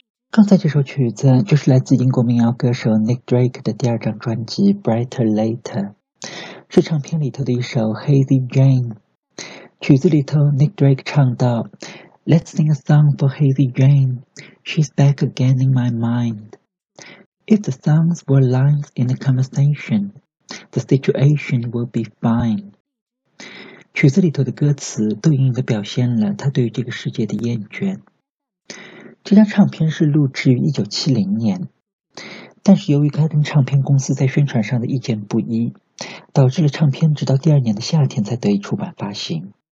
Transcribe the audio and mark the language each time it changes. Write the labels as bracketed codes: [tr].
[zh] 刚才这首曲子就是来自英国民谣歌手 Nick Drake 的第二张专辑 Brighter Later， 是唱片里头的一首 Hazy Jane。曲子里头 Nick Drake 唱到 [en] Let's sing a song for Hazy Jane, She's back again in my mind. If the songs were lines in a conversation, The situation would be fine. [zh] 曲子里头的歌词都隐隐地表现了他对于这个世界的厌倦。这张唱片是录制于1970年，但是由于该登唱片公司在宣传上的意见不一，导致了唱片直到第二年的夏天才得以出版发行。